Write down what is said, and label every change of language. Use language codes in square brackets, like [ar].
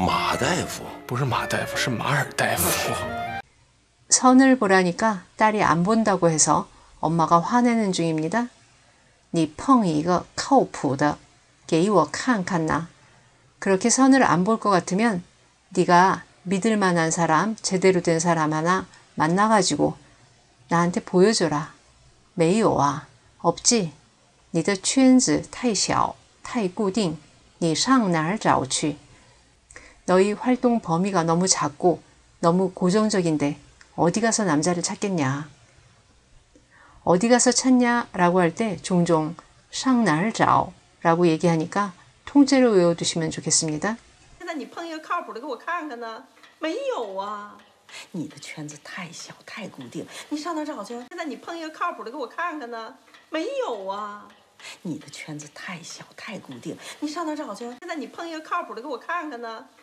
[zh] 上哪儿？马大夫？不是马大夫，是马尔代夫。上哪儿？马大夫？不是马大夫，是马尔代夫。 [ko] 선을 보라니까 딸이 안 본다고 해서 엄마가 화내는 중입니다. [zh] 你碰一个靠谱的，给我看看呐。 [ko] 그렇게 선을 안 볼 것 같으면 네가 믿을 만한 사람, 제대로 된 사람 하나 만나가지고 나한테 보여줘라. [zh] 没有啊, [ko] 없지? [zh] 你的圈子太小,太固定,你上哪儿找去? [ko] 너희 활동 범위가 너무 작고 너무 고정적인데 어디 가서 남자를 찾겠냐? 어디 가서 찾냐? 라고 할 때 종종 [zh] 上哪儿找? [ko] 라고 얘기하니까 통째로 외워두시면 좋겠습니다. [zh] 那你碰一个靠谱的给我看看呢?没有啊。你的圈子太小太固定，你上哪找去？现在你碰一个靠谱的给我看看呢。没有啊。你的圈子太小太固定，你上哪找去？现在你碰一个靠谱的给我看看呢。